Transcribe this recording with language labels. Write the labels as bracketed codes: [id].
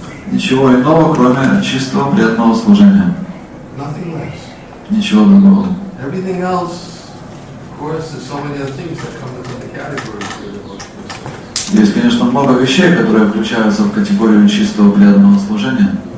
[ru] Ничего иного, кроме чистого преданного служения. Ничего другого. [en] Everything else, of course, there's so many other things that come into the category of pure devotion. [ru] Есть, конечно, много вещей, которые включаются в категорию чистого преданного служения.